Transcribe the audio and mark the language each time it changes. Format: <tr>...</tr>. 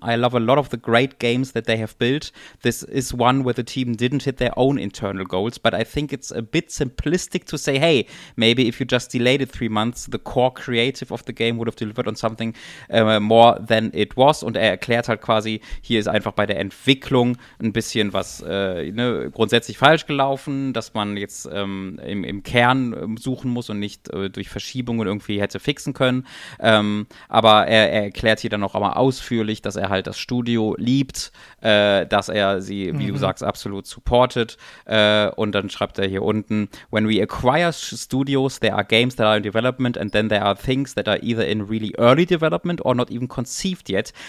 <en>I love a lot of the great games that they have built. This is one where the team didn't hit their own internal goals, but I think it's a bit simplistic to say, hey, maybe if you just delayed it 3 months, the core creative of the game would have delivered on something more than it was.</en> <de>Und er erklärt halt quasi, hier ist einfach bei der Entwicklung ein bisschen was grundsätzlich falsch gelaufen, dass man jetzt im Kern suchen muss und nicht durch Verschiebungen irgendwie hätte fixen können. Aber er erklärt hier dann auch einmal ausführlich, dass er halt das Studio liebt, dass er sie, wie du sagst, absolut supportet. Und dann schreibt er hier unten,</de> <en>when we acquire studios, there are games that are in development and then there are things that are either in really early development or not even conceived yet.</en>